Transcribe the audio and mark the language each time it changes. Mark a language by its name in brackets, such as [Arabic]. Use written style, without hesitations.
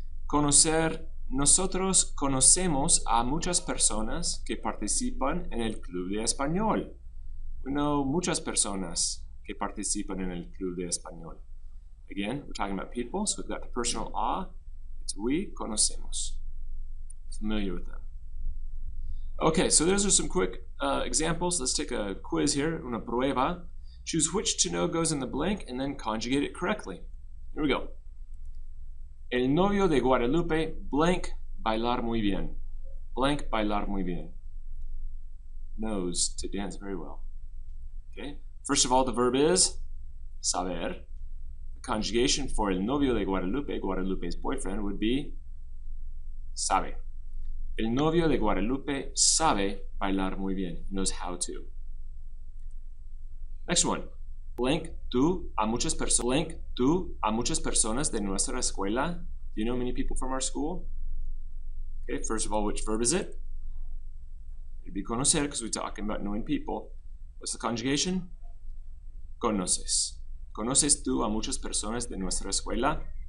[Spanish] Conocer, nosotros conocemos a muchas personas que participan en el Club de Español. [English] We know [Spanish] muchas personas que participan en el Club de Español. [English] Again, we're talking about people, so we've got the personal a. It's we conocemos. Familiar with them. Okay, so those are some quick examples. Let's take a quiz here, [Spanish] una prueba. [English] Choose which to know goes in the blank and then conjugate it correctly. Here we go. [Spanish] El novio de Guadalupe, blank, bailar muy bien. [English] Blank, [Spanish] bailar muy bien. [English] Knows to dance very well. Okay. First of all, the verb is saber. The conjugation for [Spanish] el novio de Guadalupe, [English] Guadalupe's boyfriend, would be sabe. [Spanish] El novio de Guadalupe sabe bailar muy bien. [English] Knows how to. Next one. [Spanish] Link tú a muchas personas de nuestra escuela. [English] Do you know many people from our school? Okay, first of all, which verb is it? It'd be conocer, because we're talking about knowing people. What's the conjugation? Conoces. [Spanish] Conoces tú a muchas personas de nuestra escuela.